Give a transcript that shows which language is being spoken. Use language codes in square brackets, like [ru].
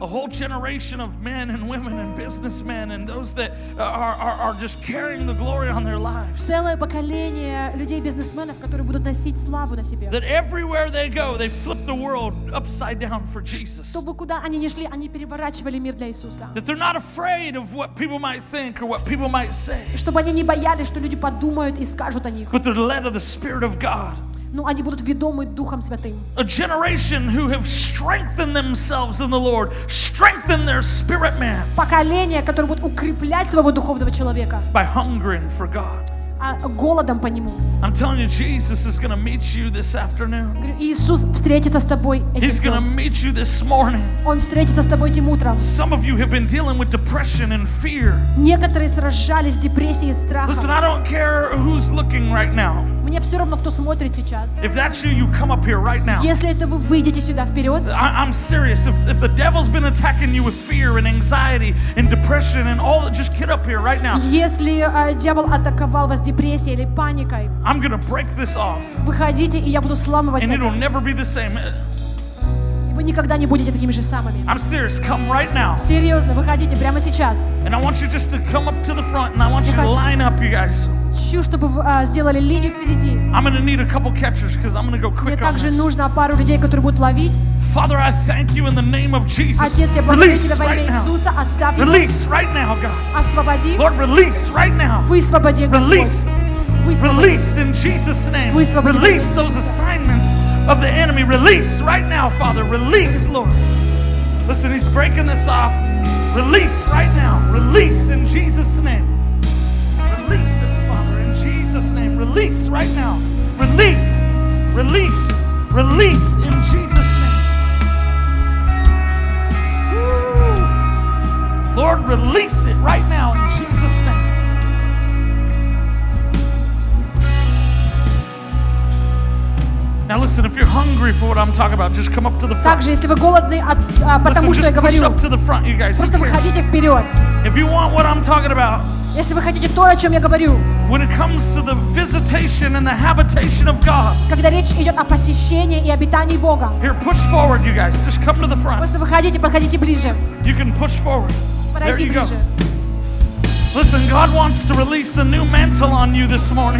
[en] A whole generation of men and women and businessmen and those that are just carrying the glory on their lives. That everywhere they go, they flip the world upside down for Jesus. That they're not afraid of what people might think or what people might say. [ru] Чтобы они не боялись, что люди подумают и скажут о них. [en] But they're led of the Spirit of God. [ru] Но они будут ведомы Духом Святым. [en] A generation who have strengthened themselves in the Lord, strengthened their spirit man. [ru] Поколение, которое будет укреплять своего духовного человека. [en] By hungering for God. [ru] Голодом по нему. [en] I'm telling you, Jesus is going to meet you this afternoon. [ru] Иисус встретится с тобой этим утром. [en] He's going to meet you this morning. [ru] Он встретится с тобой этим утром. [en] Some of you have been dealing with depression and fear. [ru] Некоторые сражались с депрессией и страхом. [en] Listen, I don't care who's looking right now. [ru] Мне все равно, кто смотрит сейчас. [en] If that's you, you come up here right now. [ru] Если это вы, выйдите сюда вперед. [en] I'm serious. If the devil's been attacking you with fear and anxiety and depression and all, just get up here right now. [ru] Если дьявол атаковал вас депрессией или паникой. [en] I'm gonna break this off. [ru] Выходите, и я буду сламывать. [en] And it'll never be the same. [ru] Вы никогда не будете такими же самыми. [en] I'm serious. Come right now. [ru] Серьезно, выходите прямо сейчас. [en] And I want you just to come up to the front, and I want you to line up, you guys. [ru] Хочу, чтобы сделали линию впереди. [en] I'm gonna need a couple catchers because I'm gonna go quick. [ru] Мне также нужно пару людей, которые будут ловить. [en] Father, I thank you in the name of Jesus. [ru] Отец, я благодарю тебя во имя Иисуса. Оставь его. [en] Release right now, God. [ru] Освободи. [en] Lord, release right now. [ru] Высвободи, Господь. [en] Release. Release in Jesus' name. Release those assignments of the enemy. Release right now, Father. Release, Lord. Listen, he's breaking this off. Release right now. Release in Jesus' name. Release it, Father, in Jesus' name. Release right now. Release. Release. Release in Jesus' name. Woo. Lord, release it right now in Jesus' name. Now listen, if you're hungry for what I'm talking about, just come up to the front. [ru] Также, если вы голодны от потому что я говорю. [en] Listen, just push up to the front, you guys. [ru] Просто выходите вперед. [en] If you want what I'm talking about. [ru] Если вы хотите то, о чем я говорю. [en] When it comes to the visitation and the habitation of God. [ru] Когда речь идет о посещении и обитании Бога. [en] Here, push forward, you guys. Just come to the front. [ru] Просто выходите, подходите ближе. [en] You can push forward. [ru] Подойди ближе. [en] Listen, God wants to release a new mantle on you this morning.